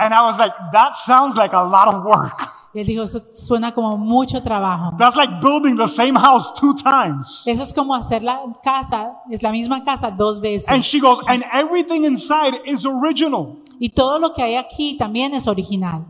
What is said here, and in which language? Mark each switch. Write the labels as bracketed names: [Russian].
[English] And I was like, that sounds like a lot of work. [Spanish] Y él dijo, eso suena como mucho trabajo. [English] That's like building the same house two times. [Spanish] Eso es como hacer la casa, es la misma casa dos veces. [English] And she goes, and everything inside is original. [Spanish] Y todo lo que hay aquí también es original.